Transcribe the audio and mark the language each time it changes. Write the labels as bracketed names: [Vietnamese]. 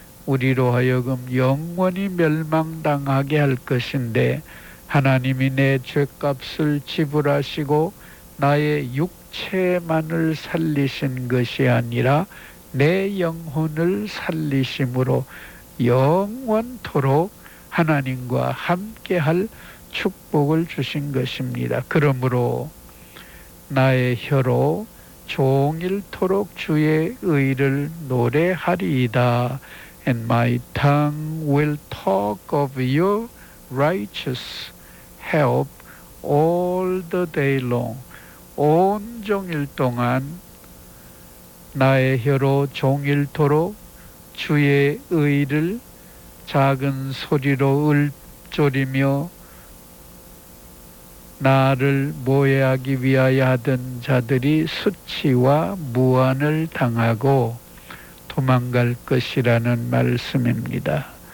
[Korean] 우리로 하여금 영원히 멸망당하게 할 것인데, 하나님이 내 죄값을 지불하시고 나의 육체만을 살리신 것이 아니라 내 영혼을 살리심으로 영원토록 하나님과 함께할 축복을 주신 것입니다. 그러므로 나의 혀로 종일토록 주의 의를 노래하리이다. [English] And my tongue will talk of your righteous help all the day long. [Korean] 온종일 동안 나의 혀로 종일토록 주의 의를 작은 소리로 읊조리며 나를 모해하기 위하여 하던 자들이 수치와 무안을 당하고 도망갈 것이라는 말씀입니다.